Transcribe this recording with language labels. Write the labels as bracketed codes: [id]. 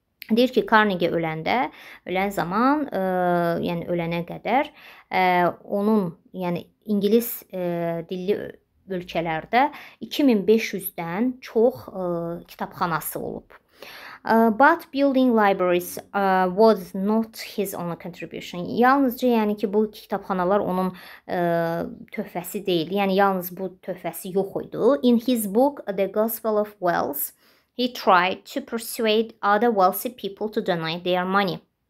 [az] Deyir ki, Carnegie öləndə, ölən zaman, yəni ölənə qədər onun, yəni ingilis dilli ölkələrdə 2500-dən çox kitabxanası olub. [en] But building libraries was not his only contribution. [az] Yalnızca, yəni ki, bu kitabxanalar onun töhfəsi deyildi. Yəni, yalnız bu töhfəsi yox idi. [en] In his book, The Gospel of Wealth, he tried to persuade other wealthy people to donate their money.